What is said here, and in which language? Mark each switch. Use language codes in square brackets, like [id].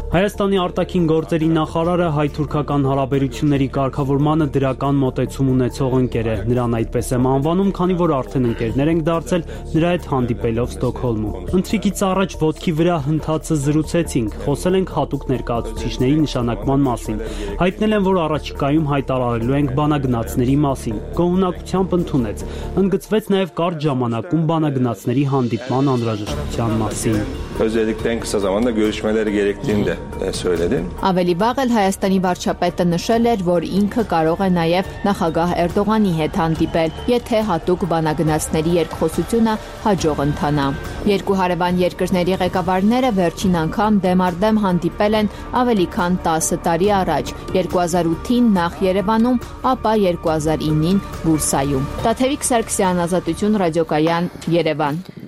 [hy] Հայաստանի արտաքին գործերի նախարարը հայ-թուրքական հարաբերությունների կարգավորմանը դրական մոտեցում ունեցող ընկեր է։ Նրան այդպես եմ անվանում, քանի որ արդեն ընկերներ ենք դարձել նրա հետ հանդիպելով Ստոկհոլմում։ Ընթրիկից առաջ ոտքի վրա հնդացը զրուցեցինք, խոսել ենք հատուկ ներկայացուցիչների նշանակման մասին, հայտնել են, որ առաջիկայում հայտարարելու ենք բանակցությունների մասին։ Գոհունակությամբ ընդունեց, ընդգծվեց նաև կարճ ժամանակում բանակցությունների հանդիպման անհրաժեշտության մասին։ [tr] Özellikle en kısa zamanda görüşmeleri gerektiğini de söyledim. [hy] Ավելի վաղ էլ Հայաստանի վարչապետը նշել էր, որ ինքը կարող է նաև նախագահ Էրդողանի հետ հանդիպել, եթե հատուկ բանակցությունների երկխոսությունը հաջող ընթանա։ Երկու հարևան երկրների ղեկավարները վերջին անգամ դեմարդեմ հանդիպել են ավելի քան 10 տարի առաջ, 2008-ին նախ Երևանում, ապա 2009-ին Բուրսայում։ Տաթևիկ Սարգսյան, Ազատություն ռադիոկայան, Երևան։